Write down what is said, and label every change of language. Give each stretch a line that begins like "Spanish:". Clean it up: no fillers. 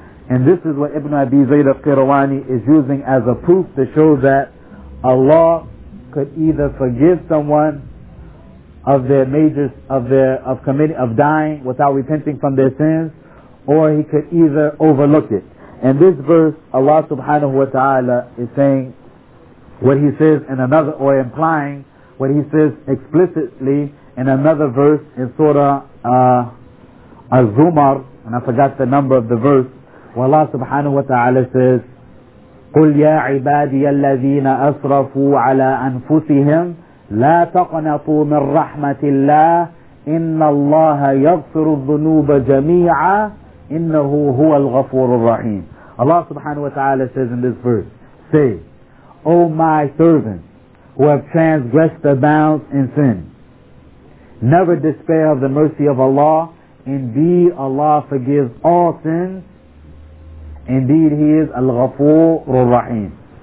English: And this is what Ibn Abi Zayd al-Qirwani is using as a proof to show that Allah could either forgive someone of their majors, of dying without repenting from their sins, or He could either overlook it. And this verse, Allah subhanahu wa ta'ala is saying what He says in another, or implying what He says explicitly in another verse in Surah Az-Zumar, and I forgot the number of the verse, where Allah subhanahu wa ta'ala says,
Arabic: قُلْ يَا عِبَادِيَ الَّذِينَ أَسْرَفُوا عَلَىٰ أَنفُسِهِمْ لَا تَقْنَطُوا مِنْ رَحْمَةِ اللَّهِ إِنَّ اللَّهَ يَغْفِرُ الذُّنُوبَ جَمِيعًا إِنَّهُ هُوَ الْغَفُورُ الرَّحِيمُ.
English: Allah subhanahu wa ta'ala says in this verse, say, O my servants who have transgressed the bounds in sin, never despair of the mercy of Allah. Indeed, Allah forgives all sins. Indeed, He is Al-Ghafoor Ar-Rahim.